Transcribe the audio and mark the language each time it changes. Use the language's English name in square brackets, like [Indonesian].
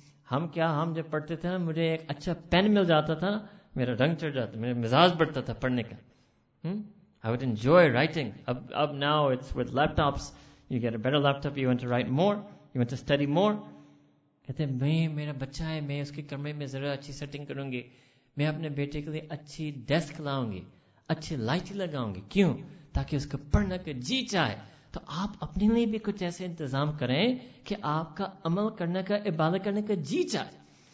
[Urdu] ہم کیا, ہم جب پڑھتے تھے نا, مجھے ایک اچھا پین مل جاتا تھا نا, میرا رنگ چڑھ جاتا, میرا مزاج بڑھتا تھا پڑھنے کا. [English] I would enjoy writing. اب now it's with laptops, you get a better laptop, you want to write more, you want to study more. [Urdu] کہتے ہیں میرا بچہ ہے, میں اس کے کمرے میں ذرا اچھی سیٹنگ کروں گی, میں اپنے بیٹے کے لیے اچھی ڈیسک لاؤں گی, اچھی لائٹ لگاؤں گی, کیوں, تاکہ اس کو پڑھنا کا جی چاہے. تو آپ اپنے لیے بھی کچھ ایسے انتظام کریں کہ آپ کا عمل کرنے کا, عبادت کرنے کا جی چاہے.